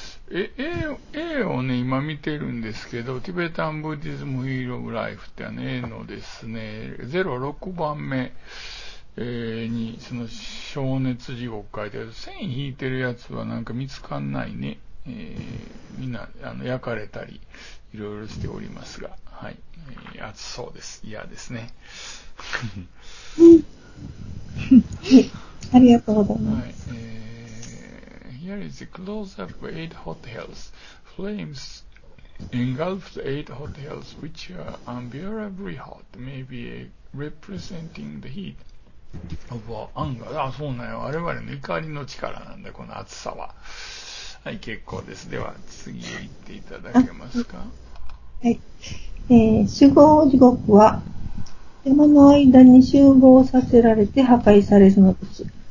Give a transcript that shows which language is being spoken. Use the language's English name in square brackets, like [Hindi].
[Japanese] A をね今見てるんですけど、ティベタンブディズムヒーローライフってね、のですね06番目にその消熱地獄書いてある、線引いてるやつはなんか見つかんないね。みんな焼かれたりいろいろしておりますが、はい、暑そうです。嫌ですね。ありがとうございます。はい、 [English] Here is a close up of 8 hot hells. Flames engulfed 8 hot hells which are unbearably hot, maybe representing the heat of anger. [Japanese] あ、そうなの。我々の怒りの力なんだ、この暑さは。はい、結構です。では次へ行っていただけますか。はい、守護地獄は山の間に集合させられて破壊されるのです。